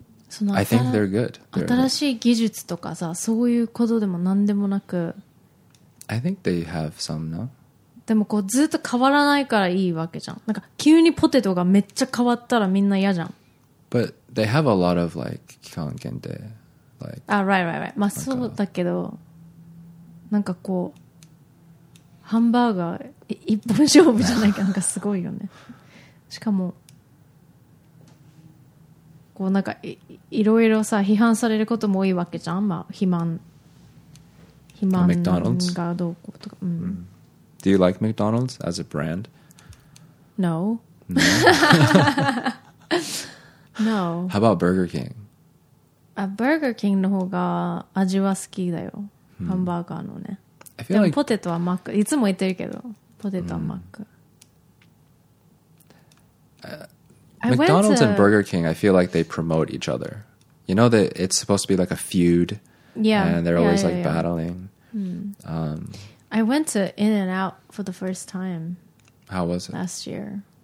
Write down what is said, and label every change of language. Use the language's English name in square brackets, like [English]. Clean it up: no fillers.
[Japanese] その [English] I think they're good. [Japanese] 新しい技術とかさそういうことでもなんでもなく [English] I think they have some, no? [Japanese] でもこうずっと変わらないからいいわけじゃん。なんか急にポテトがめっちゃ変わったらみんな嫌じゃん。 [English] But they have a lot of like [Japanese] 期間限定 [English] like [Japanese] あ、 [English] right, right, right. [Japanese] まあそうだけど、なんかこうハンバーガー一本勝負じゃないかなんかすごいよね。しかもこうなんか いろいろさ批判されることも多いわけじゃん。まあ肥満がどうこうとか。うん。 Mm. [English] Do you like McDonald's as a brand? No. No. No. How about Burger King? [Japanese] Burger King の方が味は好きだよ。Hmm. ハンバーガーのね。 [English] I feel like [Japanese] ポテトはマック。いつも言ってるけど、ポテトはマック。 [English] McDonald's and Burger King, I feel like they promote each other. You know that it's supposed to be like a feud. Yeah. And they're always like battling. Hmm. I went to In-N-Out for the first time. How was it? Last year.